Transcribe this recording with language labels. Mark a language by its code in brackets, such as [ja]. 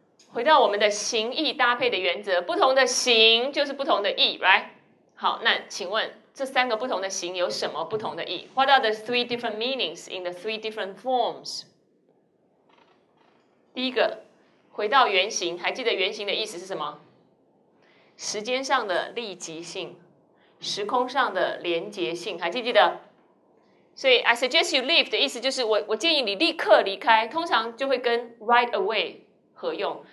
[zh] 回到我们的形意搭配的原则，不同的形就是不同的意， right? 好，那请问这三个不同的形有什么不同的意？ [en] What are the three different meanings in the three different forms? [zh] 第一个，回到原形，还记得原形的意思是什么？时间上的立即性，时空上的连结性，还记得？所以 [en] I suggest you leave [zh] 的意思就是 我建议你立刻离开，通常就会跟 right away 合用。